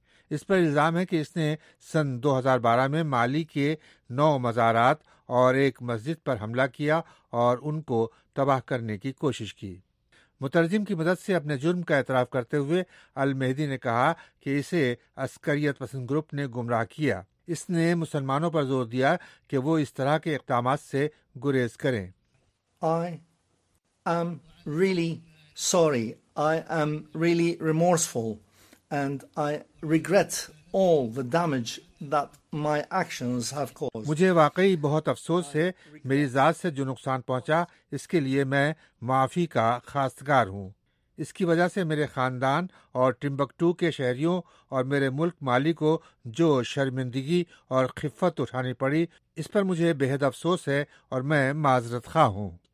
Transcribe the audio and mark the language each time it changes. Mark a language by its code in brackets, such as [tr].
[ur] اس پر الزام ہے کہ اس نے سن 2012 میں مالی کے 9 مزارات اور ایک مسجد پر حملہ کیا اور ان کو تباہ کرنے کی کوشش کی. مترجم کی مدد سے اپنے جرم کا اعتراف کرتے ہوئے المہدی نے کہا کہ اسے عسکریت پسند گروپ نے گمراہ کیا. اس نے مسلمانوں پر زور دیا کہ وہ اس طرح کے اقدامات سے گریز کریں. [en] I am really sorry. I am really remorseful and I regret all the damage that my actions have caused. [ur] مجھے واقعی بہت افسوس ہے, میری ذات سے جو نقصان پہنچا اس کے لیے میں معافی کا خواستگار ہوں. اس کی وجہ سے میرے خاندان اور ٹمبکٹو کے شہریوں اور میرے ملک مالی کو جو شرمندگی اور خفت اٹھانی پڑی اس پر مجھے بےحد افسوس ہے اور میں معذرت خواہ ہوں.